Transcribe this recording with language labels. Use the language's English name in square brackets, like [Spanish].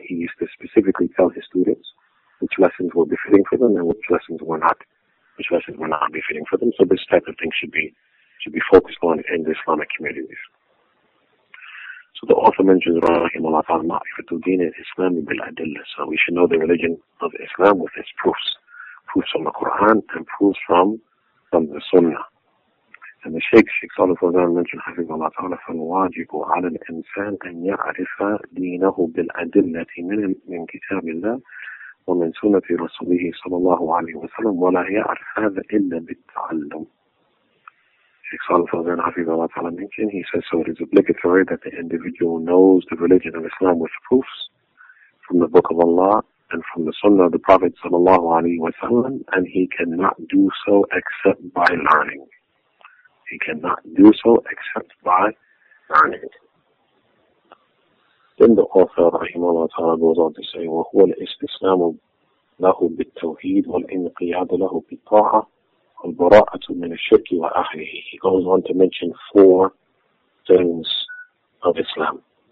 [English] He used to specifically tell his students which lessons were befitting for them and which lessons were not, befitting for them. So this type of thing should be focused on in the Islamic communities. So the author mentions, rahimahullah ta'ala, [Arabic] ma'rifatu deen al-Islam bil-adillah. [English] So we should know the religion of Islam with its proofs. Proofs from the Quran and proofs from the Sunnah. And the Sheikh Salih Fawzan mentioned, hafizahullah ta'ala, [Arabic] فَالْوَاجِبُ عَلَى الْإِنسَانِ أَنْ يَعْرِفَ دِينَهُ بِالْأَدِلَّةِ مِنْ كِتَابِ اللَّهِ وَمِنْ سُنَّةِ رَسُولِهِ صَلَى اللَّهُ عَلَيْهِ وَسَلَمْ وَلَا يَعْرِفَ هَذَا إِلَّا بِالْتَعَلُّمِ. [English] Sheikh Salih Fawzan, hafizahullah ta'ala, mentioned, he says, so it is obligatory that the individual knows the religion of Islam with proofs from the Book of Allah and from the Sunnah of the Prophet صلى الله عليه وسلم, and he cannot do so except by learning. He cannot do so except by learning. Then the author, rahimahullah ta'ala, goes on to say, [Arabic] وَهُوَ الْإِسْتِسْلَامُ لَهُ بِالتَّوْهِيدِ وَالْإِنْقِيَادُ لَهُ بِالطَّاعَةِ وَالْبَرَاءَةُ مِنَ الشِّرْكِ وَأَهْلِهِ. [English] He goes on to mention four things of Islam.